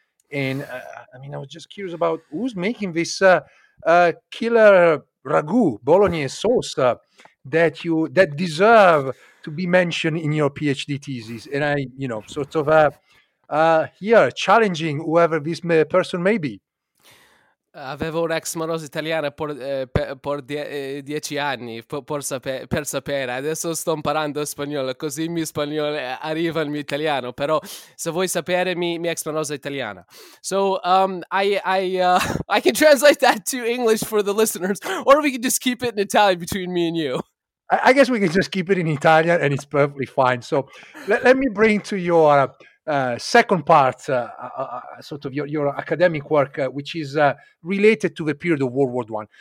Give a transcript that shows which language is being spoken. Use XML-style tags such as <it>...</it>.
<en>And I was just curious about who's making this killer ragu, bolognese sauce that deserve to be mentioned in your PhD thesis. And I, you know, sort of here challenging whoever this person may be.</en> <it>Avevo un ex morosa italiana per dieci anni, per sapere. Adesso sto imparando spagnolo, così il mio spagnolo arriva al mio italiano. Però se vuoi sapere, mi ex morosa italiana.</it> <en>So, I can translate that to English for the listeners, or we can just keep it in Italian between me and you. I guess we can just keep it in Italian, and it's perfectly fine. So let me bring to your second part, sort of your academic work, which is related to the period of World War I.</en>